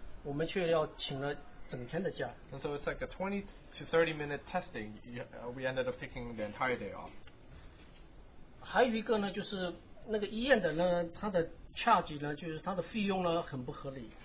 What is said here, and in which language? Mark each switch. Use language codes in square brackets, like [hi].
[zh] 结果呢,有时候呢,可能20分钟,半个小时的检查呢,我们却要请了整天的假。 [en] And so it's like a 20 to 30 minute testing, we ended up taking the entire day off. [zh] 还有一个呢,就是那个医院的呢,他的 charge呢，就是它的费用呢，很不合理。